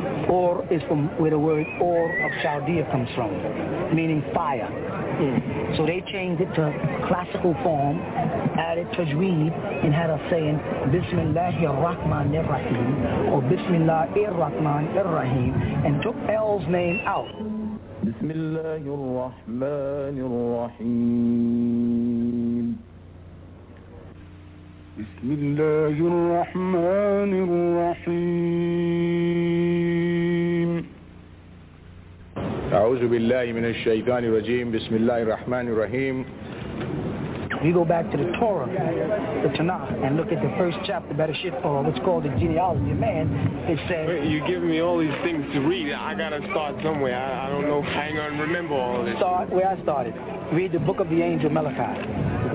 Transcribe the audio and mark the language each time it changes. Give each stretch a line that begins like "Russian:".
English: Ur is from where the word Ur of Chaldea comes from, meaning fire. So they changed it to classical form, added tajweed, and had us saying Bismillahir Rahmanir Rahim or Bismillahir Rahmanir Rahim, and took El's name out.
Arabic: بسم الله الرحمن الرحيم بسم الله الرحمن الرحيم أعوذ بالله من الشيطان الرجيم بسم الله الرحمن الرحيم.
English: We go back to the Torah, the Tanakh, and look at the first chapter, better shit, or what's called the genealogy of man. It says... Wait, you're giving me all these things to read. I got to start somewhere. I don't know if I ain't going to remember all this. Start where I started. Read the book of the angel Malachi.